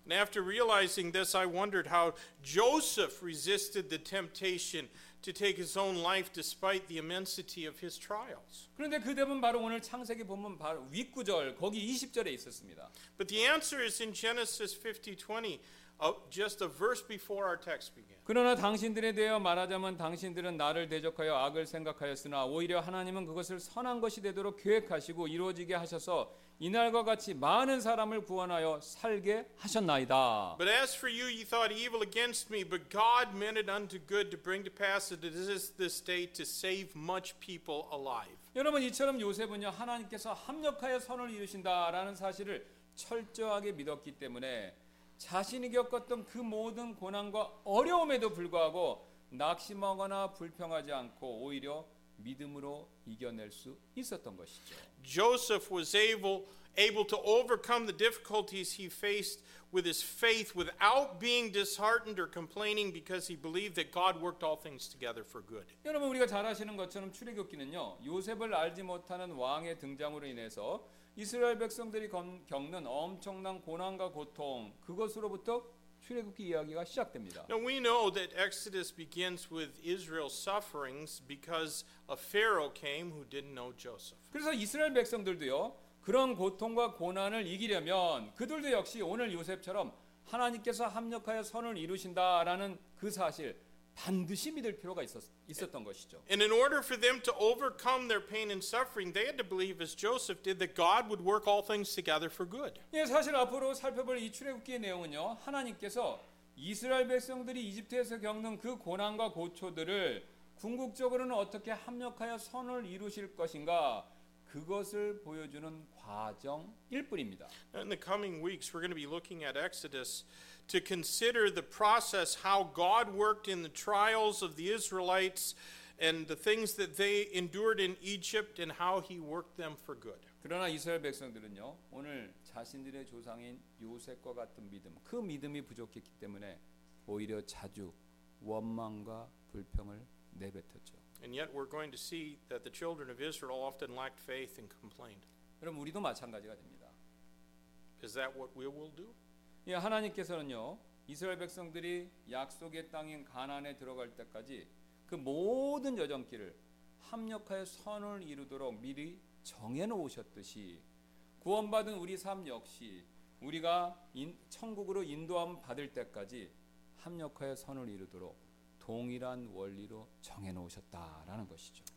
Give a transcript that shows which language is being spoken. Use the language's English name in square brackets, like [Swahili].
[English] And after realizing this, I wondered how Joseph resisted the temptation to take his own life despite the immensity of his trials. [Korean] 그런데 그 대목은 바로 오늘 창세기 보면 바로 윗구절 거기 20절에 있었습니다. [English] But the answer is in Genesis 50:20. Just a verse before our text began. [Korean] 그러나 당신들에 대하여 말하자면 당신들은 나를 대적하여 악을 생각하였으나 오히려 하나님은 그것을 선한 것이 되도록 계획하시고 이루어지게 하셔서 이날과 같이 많은 사람을 구원하여 살게 하셨나이다. [English] But as for you, you thought evil against me, but God meant it unto good to bring to pass that it is this day to save much people alive. [Korean] 여러분 이처럼 요셉은요 하나님께서 합력하여 선을 이루신다라는 사실을 철저하게 믿었기 때문에. 자신이 겪었던 그 모든 고난과 어려움에도 불구하고 낙심하거나 불평하지 않고 오히려 믿음으로 이겨낼 수 있었던 것이죠. [English] Joseph was able to overcome the difficulties he faced with his faith without being disheartened or complaining because he believed that God worked all things together for good. [Korean] 여러분 우리가 잘 아시는 것처럼 출애굽기는요. 요셉을 알지 못하는 왕의 등장으로 인해서 이스라엘 백성들이 겪는 엄청난 고난과 고통 그것으로부터 출애굽기 이야기가 시작됩니다. [English] Now we know that Exodus begins with Israel's sufferings because a Pharaoh came who didn't know Joseph. [Korean] 그래서 이스라엘 백성들도요. 그런 고통과 고난을 이기려면 그들도 역시 오늘 요셉처럼 하나님께서 합력하여 선을 이루신다라는 그 사실 반드시 믿을 필요가 있었던 것이죠. [English] And in order for them to overcome their pain and suffering, they had to believe as Joseph did that God would work all things together for good. [Korean] 예, 사실 앞으로 살펴볼 이 출애굽기의 내용은요. 하나님께서 이스라엘 백성들이 이집트에서 겪는 그 고난과 고초들을 궁극적으로는 어떻게 합력하여 선을 이루실 것인가 그것을 보여주는 과정일 뿐입니다. [English] In the coming weeks we're going to be looking at Exodus to consider the process how God worked in the trials of the Israelites and the things that they endured in Egypt and how he worked them for good. [Korean] 그러나 이스라엘 백성들은요. 오늘 자신들의 조상인 요셉과 같은 믿음 그 믿음이 부족했기 때문에 오히려 자주 원망과 불평을 내뱉었죠. [English] And yet we're going to see that the children of Israel often lacked faith and complained. [Korean] 여러분 우리도 마찬가지가 됩니다. [English] Is that what we will do? [Korean] 예, 하나님께서는요. 이스라엘 백성들이 약속의 땅인 가나안에 들어갈 때까지 그 모든 여정길을 합력하여 선을 이루도록 미리 정해 놓으셨듯이 구원받은 우리 삶 역시 우리가 천국으로 인도함 받을 때까지 합력하여 선을 이루도록 동일한 원리로 정해 놓으셨다라는 것이죠.